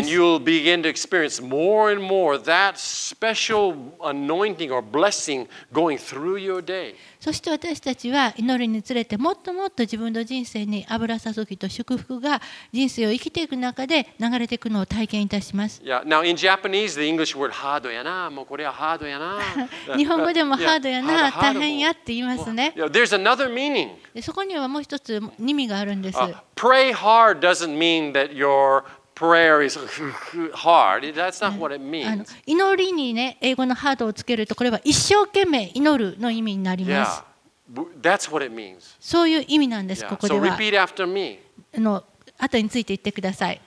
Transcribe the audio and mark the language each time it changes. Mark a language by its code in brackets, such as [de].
[en] And you'll begin to experience more and more that special anointing or blessing going through your day. [ja] そして私たちは祈りにつれてもっともっと自分の人生に油注ぎと祝福が人生を生きていく中で流れていくのを体験いたします。 [en] Yeah. Now in Japanese, the English word [ja] ハードやな、もうこれはハードやな。日本語でもハードやな、大変やって言いますね。 [en] Yeah. There's another meaning. [ja] そこにはもう一つ意味があるんです。 [en] Pray hard doesn't mean that your prayer is hard. That's not what it means. [ja] 祈りにね、英語のハードをつけると、これは一生懸命祈るの意味になります。 [en] Yeah. That's what it means. [ja] そういう意味なんです、ここでは。 [en] So repeat after me. [ja] 後について言ってください。